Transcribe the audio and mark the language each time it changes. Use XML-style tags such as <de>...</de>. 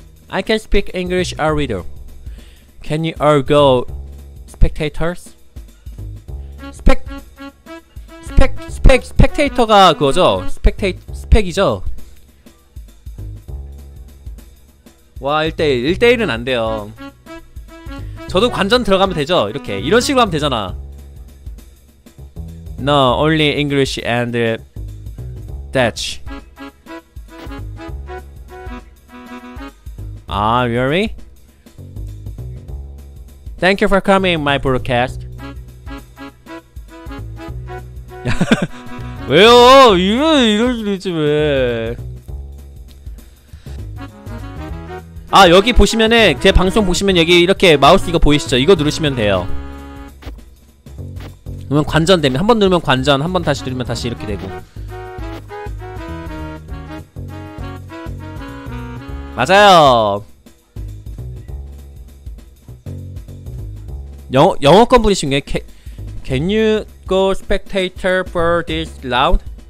<en>I can speak English a little. Can you all go spectators?</en> <ko>Spectator가 그거죠? Spec이죠? 와, 1대1. 1대1은 안 돼요. 저도 관전 들어가면 되죠? 이렇게. 이런 식으로 하면 되잖아.</ko> <en>No, only English and Dutch. 아, really? Thank you for coming my broadcast.</en> <ko>왜요? 이런 일이 있지 왜. 아, 여기 보시면은 제 방송 보시면 여기 이렇게 마우스 이거 보이시죠? 이거 누르시면 돼요. 그러면 관전 됩니다. 한번 누르면 관전, 한번 다시 누르면 다시 이렇게 되고. 맞아요. 영어권 분이신 게</ko> <en>Can you go spectator for this round?</en>